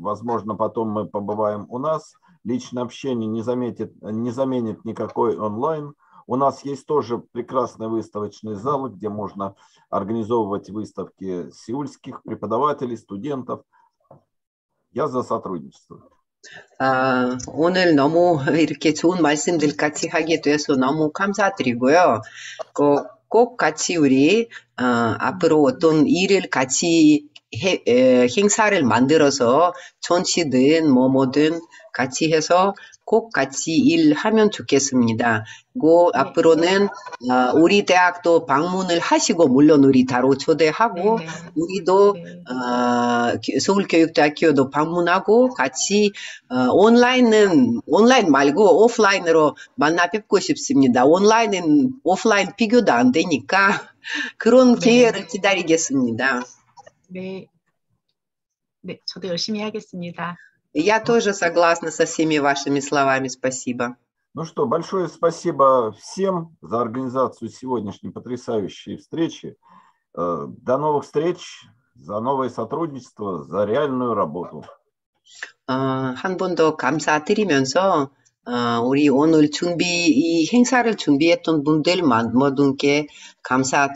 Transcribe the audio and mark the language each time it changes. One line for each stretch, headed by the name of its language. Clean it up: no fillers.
Russian: Возможно, потом мы побываем у нас. Личное общение не заменит никакой онлайн. У нас есть тоже прекрасный выставочный зал, где можно организовывать выставки сеульских преподавателей, студентов. Я за сотрудничество.
Korean: 오늘 너무 이렇게 좋은 말씀들 같이 하게 돼서 너무 감사드리고요. 꼭 같이 우리 앞으로 어떤 일을 같이 행사를 만들어서 전시든 뭐든 같이 해서 꼭 같이 일하면 좋겠습니다. 그리고 네. 앞으로는 우리 대학도 방문을 하시고 물론 우리 다로 초대하고 네. 우리도 네. 서울교육대학교도 방문하고 같이 온라인은 온라인 말고 오프라인으로 만나 뵙고 싶습니다. 온라인은 오프라인 비교도 안 되니까 그런 네. 기회를 기다리겠습니다. 네. 네, 저도 열심히 하겠습니다.
Russian: Я тоже согласна со всеми вашими словами. Спасибо. Ну что, большое спасибо всем за организацию сегодняшней потрясающей встречи. До новых встреч, за новое сотрудничество, за реальную работу.
Korean: 한 번 더 감사드리면서 우리 오늘 준비 이 행사를 준비했던 분들 모두께 감사드립니다.